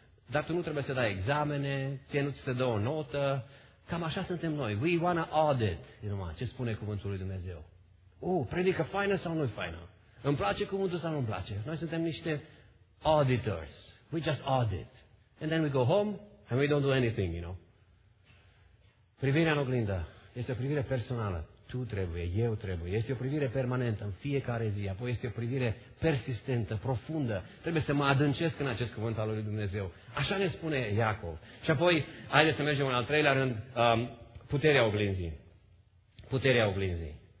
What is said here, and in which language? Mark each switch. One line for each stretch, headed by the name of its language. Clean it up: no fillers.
Romanian: Dar tu nu trebuie să dai examene, ție nu ți se dă o notă. Cam așa suntem noi.
English: We want to audit.
Romanian: Ce spune cuvântul lui Dumnezeu? Predică faină sau nu-i faină? Îmi place cuvântul sau nu-mi place? Noi suntem niște auditors.
English: We just audit. And then we go home and we don't do anything, you know.
Romanian: Privirea în oglindă este o privire personală. Tu trebuie, eu trebuie. Este o privire permanentă în fiecare zi. Apoi este o privire persistentă, profundă. Trebuie să mă adâncesc în acest cuvânt al lui Dumnezeu. Așa ne spune Iacov. Și apoi, haideți să mergem în al treilea rând, puterea oglinzii. Puterea oglinzii.